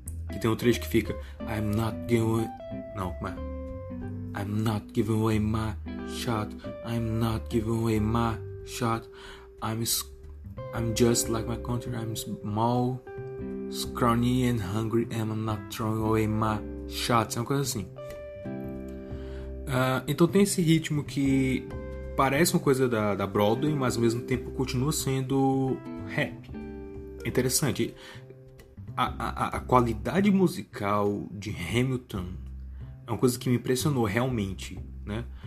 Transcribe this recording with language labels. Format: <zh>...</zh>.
<pt>Que tem um trecho que fica</pt> <en>I'm not giving away.</en> <pt>Não, como é?</pt> <en>I'm not giving away my shot. I'm not giving away my shot. I'm just like my country. I'm small, scrawny and hungry. And I'm not throwing away my shot.</en> <pt>É uma coisa assim. Então tem esse ritmo que parece uma coisa da Broadway, mas ao mesmo tempo continua sendo rap. Interessante. A qualidade musical de Hamilton é uma coisa que me impressionou realmente, né?</pt>